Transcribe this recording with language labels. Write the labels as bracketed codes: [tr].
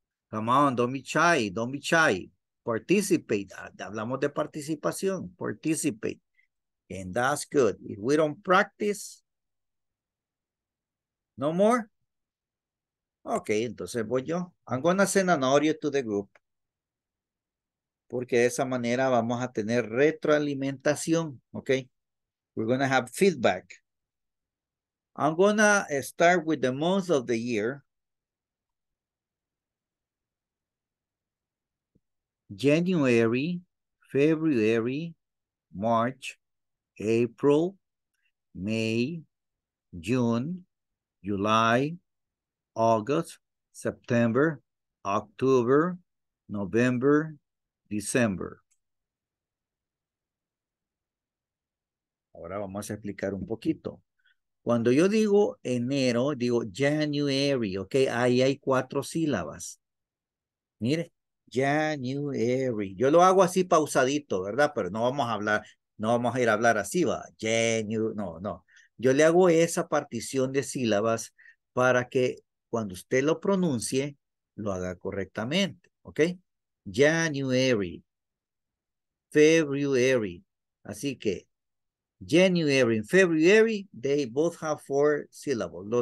[en] Come on, don't be shy, don't be shy. Participate. [es] Hablamos de participación. [en] Participate. And that's good. If we don't practice, no more? [es] Okay, entonces voy yo. [en] I'm gonna send an audio to the group. [es] Porque de esa manera vamos a tener retroalimentación, okay? [en] We're gonna have feedback. I'm gonna start with the month of the year. January, February, March, April, May, June, July, August, September, October, November, December. [es] Ahora vamos a explicar un poquito. Cuando yo digo enero, digo January, ¿ok? Ahí hay cuatro sílabas. Mire, January. Yo lo hago así pausadito, ¿verdad? Pero no vamos a hablar, no vamos a ir a hablar así, va. January, no, no. Yo le hago esa partición de sílabas para que cuando usted lo pronuncie, lo haga correctamente, ¿ok? [en] January. February. [es] Así que, [en] January and February, they both have four syllables.